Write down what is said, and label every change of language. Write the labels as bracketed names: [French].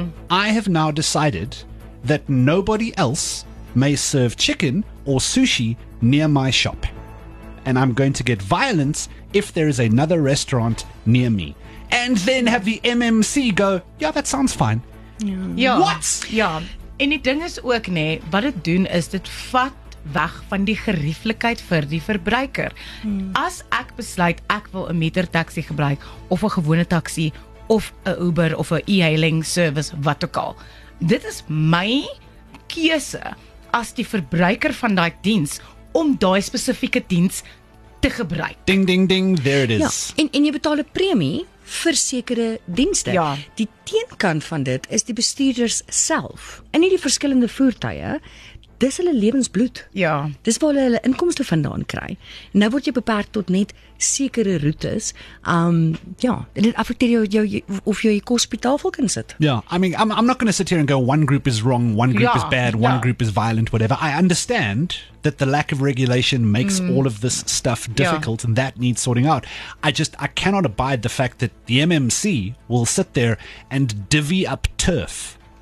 [English] I have now decided that nobody else may serve chicken or sushi near my shop. And I'm going to get violence if there is another restaurant near me. And then have the MMC go, yeah, that sounds fine. Yeah. What? Yeah. [Afrikaans] En die ding is ook, nee, wat het doen is, dit vat weg van die gerieflikheid vir die verbruiker. As ek besluit, ek wil 'n meter taxi gebruik, of 'n gewone taxi, of 'n Uber, of 'n e-hailing service, wat ook al. Dit is my keuse as die verbruiker van daai diens om daai spesifieke diens te gebruik. [English] Ding ding ding, there it is. [Afrikaans] Ja, en jy betaal 'n premie vir sekere dienste. Ja. Die teenkant van dit is die bestuurders self. In hierdie verskillende voertuie, dis hulle lewensbloed. Ja. Dis waar hulle inkomste vandaan kry. Nou word jy beperk tot net sekere roetes. En dit affekteer jou of jy kos op die tafel kan sit. [English] Ja, I mean, I'm not going to sit here and go one group is wrong, one group is bad, one group is violent, whatever. I understand that the lack of regulation makes all of this stuff difficult and that needs sorting out. I cannot abide the fact that the MMC will sit there and divvy up turf.